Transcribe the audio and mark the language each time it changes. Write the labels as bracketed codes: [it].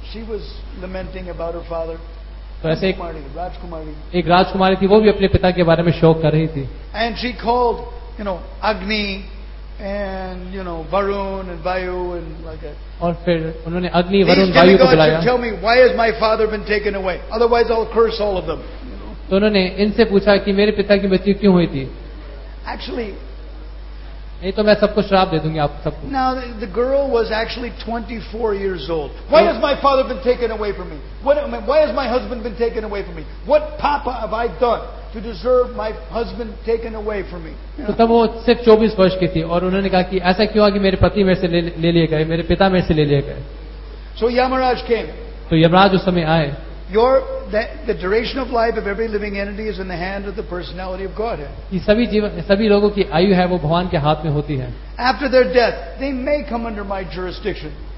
[en] She was lamenting about her father. [hi] तो ऐसे राजकुमारी एक राजकुमारी थी, वो भी अपने पिता के बारे में शोक कर रही थी. [en] And she called, you know, Agni and you know Varun and Vayu and like that. [hi] और फिर उन्होंने अग्नि वरुण वायु को बुलाया. [en] Tell me, why has my father been taken away? Otherwise, I'll curse all of them. [hi] तो उन्होंने इनसे पूछा कि मेरे पिता की मृत्यु क्यों हुई थी. [en] Actually, [hi] नहीं तो मैं सबको श्राप दे दूंगी आप सबको. [en] Now the girl was actually 24 years old. Why has my father been taken away from me? Why has my husband been taken away from me? What papa have I done to deserve my husband taken away from me? [hi] तो तब वो सिर्फ 24 वर्ष की थी और उन्होंने कहा कि ऐसा क्यों हुआ कि मेरे पति मेरे से ले लिए गए, मेरे पिता मेरे से ले लिए गए. [en] So Yamaraj came. [hi] तो यमराज उस समय आए. [en] The duration of life of every living entity is in the hand of the personality of Godhead. [hi] ये सभी जीवन सभी लोगों की आयु है वो भगवान के हाथ में होती है. [en] After their death, they may come under my jurisdiction.